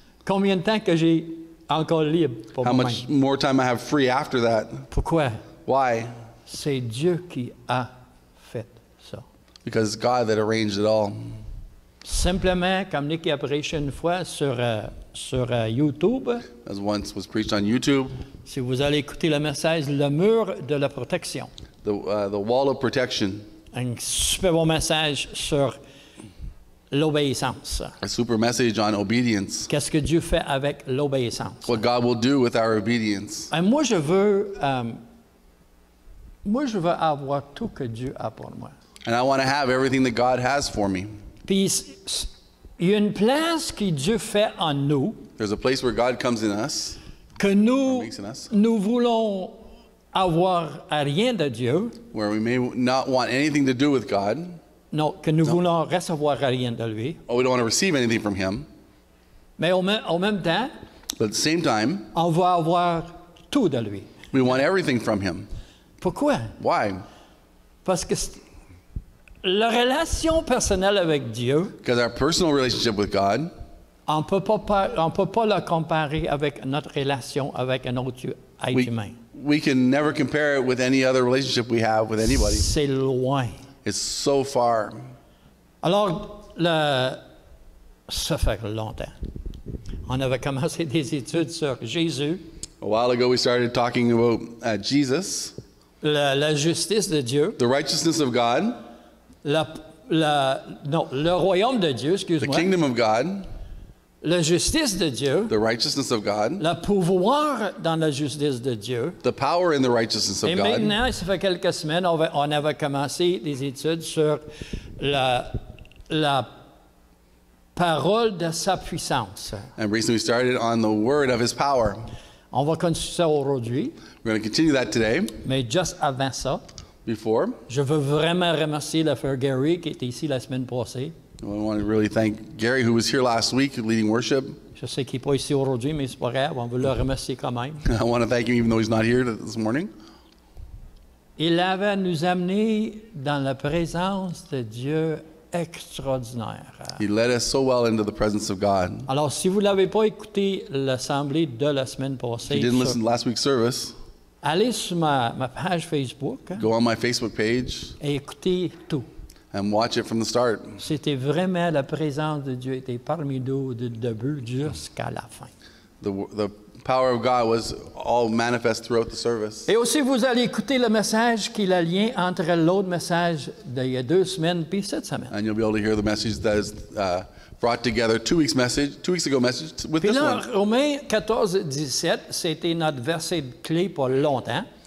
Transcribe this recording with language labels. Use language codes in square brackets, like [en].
[fr] combien de temps que j'ai encore libre pour moi-même? [en] How much more time I have free after that? [fr] Pourquoi? [en] Why? [fr] C'est Dieu qui a fait ça. [en] Because it's God that arranged it all. [fr] Simplement, comme Nicky a prêché une fois sur YouTube, [en] as once was preached on YouTube, [fr] si vous allez écouter le message, le mur de la protection, [en] the wall of protection, [fr] un super bon message sur l'obéissance. [en] A super message on obedience. [fr] Qu'est-ce que Dieu fait avec l'obéissance? [en] What God will do with our obedience. [fr] Et moi je veux avoir tout que Dieu a pour moi. [en] And I want to have everything that God has for me. [fr] Puis il y a une place que Dieu fait en nous. [en] There's a place where God comes in us. [fr] Que nous voulons avoir rien de Dieu. [en] Where we may not want anything to do with God. [fr] Non, que nous voulons recevoir rien de lui. [en] Oh, we don't want to receive anything from him. [fr] Mais au même temps, [en] but at the same time, [fr] on veut avoir tout de lui. [en] We want everything from him. [fr] Pourquoi? [en] Why? [fr] Parce que la relation personnelle avec Dieu, [en] because our personal relationship with God, [fr] on peut pas la comparer avec notre relation avec un autre être humain. [en] We can never compare it with any other relationship we have with anybody. [fr] C'est loin. [en] It's so far. [fr] Alors, ça fait longtemps. On avait commencé des études sur Jésus. [en] A while ago, we started talking about Jesus. [fr] La justice de Dieu. [en] The righteousness of God. [fr] Le royaume de Dieu, excuse-moi. [en] The kingdom of God. [fr] La justice de Dieu. [en] The righteousness of God. [fr] Le pouvoir dans la justice de Dieu. [en] The power in the righteousness of God. [fr] Et maintenant, ça fait quelques semaines, on avait commencé des études sur la parole de sa puissance. [en] And recently we started on the word of his power. [fr] On va continuer ça aujourd'hui. [en] We're going to continue that today. [fr] Mais juste avant ça, [en] before, [fr] je veux vraiment remercier le frère Gary qui était ici la semaine passée. [en] I want to really thank Gary, who was here last week leading worship. [fr] Je sais qu'il n'est pas ici aujourd'hui, mais c'est pas grave. On veut le remercier quand même. [en] I want to thank him, even though he's not here this morning. [fr] Il avait nous amené dans la présence de Dieu extraordinaire. [en] He led us so well into the presence of God. [fr] Alors, si vous l'avez pas écouté l'assemblée de la semaine passée, [en] if you didn't listen to last week's service, [fr] allez sur ma page Facebook. [en] Go on my Facebook page. [fr] Et écoutez tout. [en] And watch it from the start. [fr] C'était vraiment la présence de Dieu était parmi nous du début jusqu'à la fin. [en] The power of God was all manifest throughout the service. [fr] Et aussi, vous allez écouter le message qui est le lien entre l'autre message d'il y a deux semaines puis cette semaine. [en] And you'll be able to hear the message that is brought together two weeks ago message with [fr] puis [en] this [fr] one. Romains 14:17, c'était notre verset clé pour longtemps.